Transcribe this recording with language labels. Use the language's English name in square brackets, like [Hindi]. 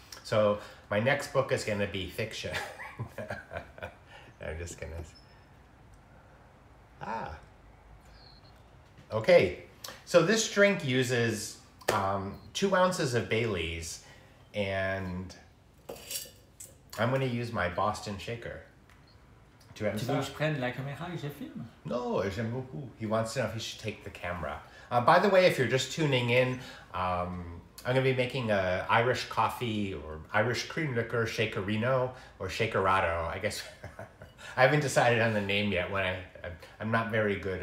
[English] So my next book is going to be fiction. I'm just going to... Okay, so this drink uses 2 ounces of Bailey's, and I'm going to use my Boston shaker. [French] Tu veux que je prenne la caméra et je filme? No, j'aime beaucoup. [English] He wants to know if he should take the camera. By the way, if you're just tuning in, I'm going to be making a Irish coffee or Irish cream liqueur Shakerino or Shakerado, I guess. I haven't decided on the name yet. I'm not very good.